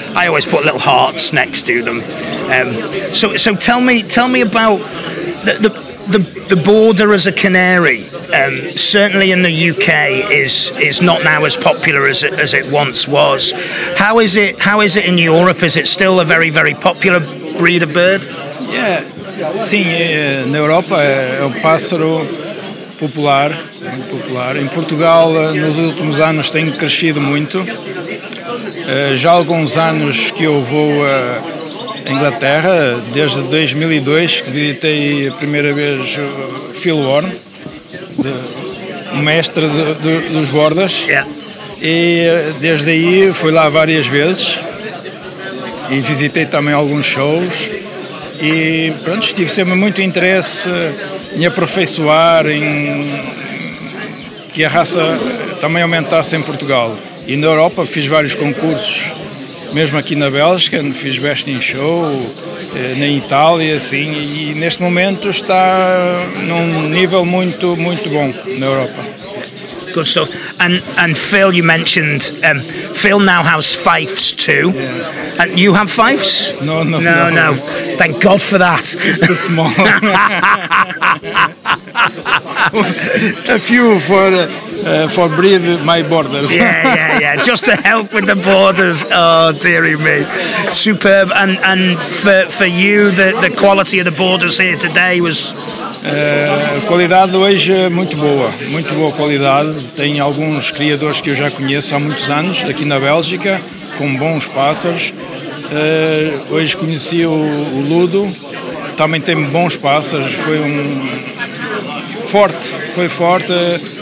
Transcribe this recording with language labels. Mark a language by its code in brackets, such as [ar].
[en] I always put little hearts next to them. So tell me about the border as a canary. Certainly in the UK is not now as popular as it once was. How is it in Europe? Is it still a very, very popular breed of bird? [pt] Yeah, sim, in Europa é um pássaro popular. Muito popular. Em Portugal, nos últimos anos, tem crescido muito. Já há alguns anos que eu vou à Inglaterra, desde 2002, que visitei a primeira vez Phil Warne, o mestre dos bordas. E desde aí fui lá várias vezes e visitei também alguns shows. E pronto, tive sempre muito interesse em aperfeiçoar, em que a raça também aumentasse em Portugal. E na Europa fiz vários concursos, mesmo aqui na Bélgica, fiz Best in Show, na Itália, assim, e neste momento está num nível muito, muito bom na Europa. [en] Good stuff. And Phil, you mentioned, Phil now has fifes too. Yeah. And you have fifes? No. Thank God for that. It's the small. a few for breathe my borders. yeah, just to help with the borders. Oh, dearie me. Superb. And for you, the quality of the borders here today was... [pt] Qualidade hoje é muito boa qualidade. Tem alguns criadores que eu já conheço há muitos anos aqui na Bélgica, com bons pássaros. Hoje conheci o Ludo, também tem bons pássaros, foi forte.